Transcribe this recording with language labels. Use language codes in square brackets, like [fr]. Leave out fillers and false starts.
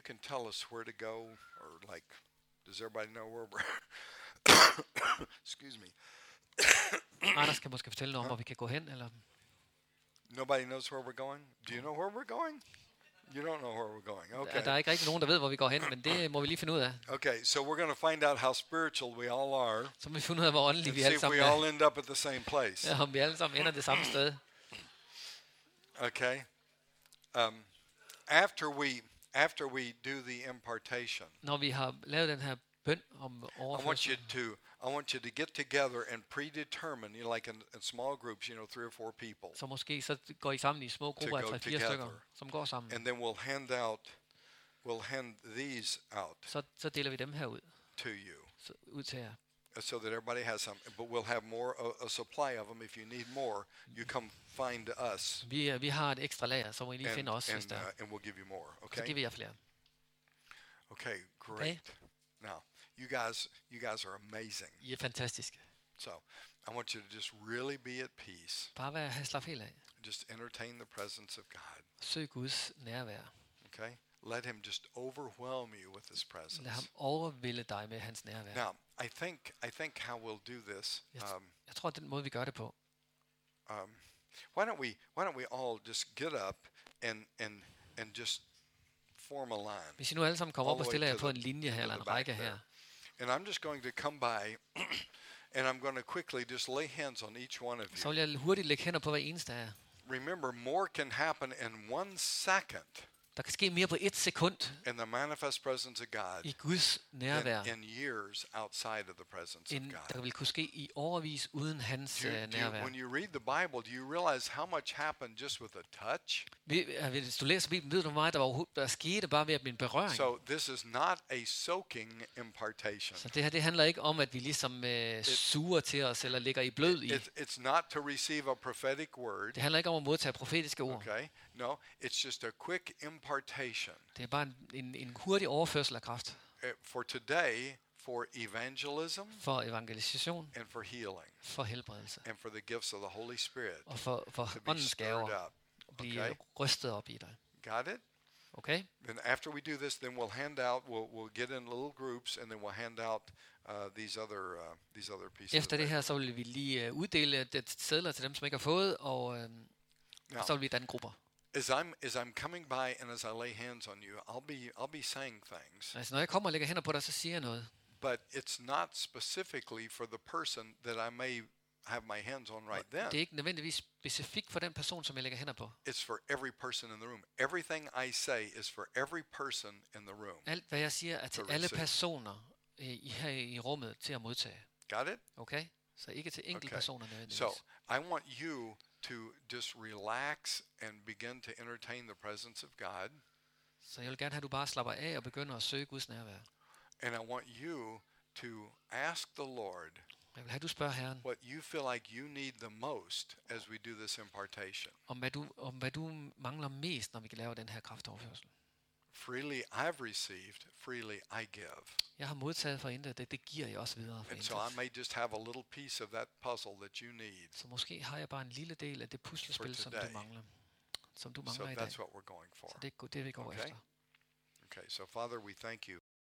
[en] can tell us where to go or like does everybody know where we're Excuse me. [da] Anders kan måske fortælle noget om, hvor vi kan gå hen eller [en] Nobody knows where we're going. Do you know where we're going? You don't know where we're going. Okay. [da] Der er ikke rigtig nogen der ved hvor vi går hen, men det må vi lige finde ud af. [en] Okay, so we're going to find out how spiritual we all are. [da] Så vi finder ud af hvor åndelige vi alle sammen [en] er. See, we all end up at the same place. [da] Ja, om vi alle sammen ender det samme sted. [en] Okay. After we do the impartation. [da] Når vi har lavet den her bøn om overførsel. [en] I want you to get together and predetermine, you know, like in small groups, you know, 3 or 4 people. [da] Så måske så går I sammen i små grupper af 3-4 stykker, som går sammen. [en] And then we'll hand these out. [da] Så deler vi dem her ud. [en] To you. [da] Så ud til jer. [en] So that everybody has some, but we'll have more a supply of them if you need more. You come find us. [da] Vi har et ekstra lager, så må I lige finde os, hvis der. [en] And we'll give you more. Okay. [da] Så giver vi jer flere. [en] Okay, great. Okay. Now. You guys are amazing. [da] I er fantastiske. [en] So, I want you to just really be at peace. [da] Bare vær helt slap helt af. [en] Just entertain the presence of God. [da] Søg Guds nærvær. [en] Okay? Let him just overwhelm you with his presence. [da] Lad ham overvælde dig med hans nærvær. [en] Now, I think how we'll do this. [da] Jeg tror den måde vi gør det på. [en] Why don't we all just get up and just form a line. [da] Hvis I nu alle sammen kommer op og stiller jer på en linje her eller en række her. [en] And I'm just going to come by and I'm going to quickly just lay hands on each one of you. [da] Så vil jeg hurtigt lægge hænder på hver eneste af jer. [en] Remember, more can happen in 1 second. [da] Der kan ske mere på 1 sekund. [en] In the manifest presence of God. [da] I Guds nærvær. [en] In years outside of the presence of God. [da] Der vil kunne ske i årevis uden hans nærvær. [en] When you read the Bible, do you realize how much happened just with a touch? [da] Hvis du læser Bibelen, ved du meget, der skete bare ved min berøring. [en] So this is not a soaking impartation. [da] Så det her, det handler ikke om, at vi ligesom suger til os eller ligger i blød i. [en] It's not to receive a prophetic word. [da] Det handler ikke om at modtage profetiske ord. [en] Okay. No, it's just a quick impartation. [da] Det er bare en hurtig overførsel af kraft. [en] For today, for evangelism. [da] For evangelisation. [en] And for healing. [da] For helbredelse. [en] And for the gifts of the Holy Spirit. [da] Og for åndens gaver. Blive rystet op i dig. [en] Got it? Okay. Then after we do this, then we'll hand out. We'll get in little groups, and then we'll hand out these other pieces. [da] Efter det her, så vil vi lige uddele det sedler til dem, som ikke har fået, og så vil vi danne grupper. [en] As I'm coming by and as I lay hands on you, I'll be saying things. [da] Altså, når jeg kommer og lægger hænder på dig, så siger jeg noget. [en] But it's not specifically for the person that I may have my hands on right then. [da] Det er ikke nødvendigvis specifikt for den person, som jeg lægger hænder på. [en] It's for every person in the room. Everything I say is for every person in the room. [da] Alt hvad jeg siger er til alle personer i rummet til at modtage. [en] Got it? Okay. [da] Så ikke til enkelte personer nødvendigvis. [en] So I want you to just relax and begin to entertain the presence of God. [da] Så jeg vil gerne have du bare slapper af og begynder at søge Guds nærvær. [en] And I want you to ask the Lord. [da] Jeg vil have du spørger Herren. [en] What you feel like you need the most as we do this impartation. [da] Om hvad du mangler mest når vi kan lave den her kraftoverførsel. [en] Freely I've received, freely I give. [da] Jeg har modtaget for intet, det giver jeg også videre for intet. [en] So I may just have a little piece of that puzzle that you need. [da] Så måske har jeg bare en lille del af det puslespil, som du mangler [en] so [da] i dag. [en] That's what we're going for. [da] Så det er det, vi går efter. [en] Okay, so Father, we thank you.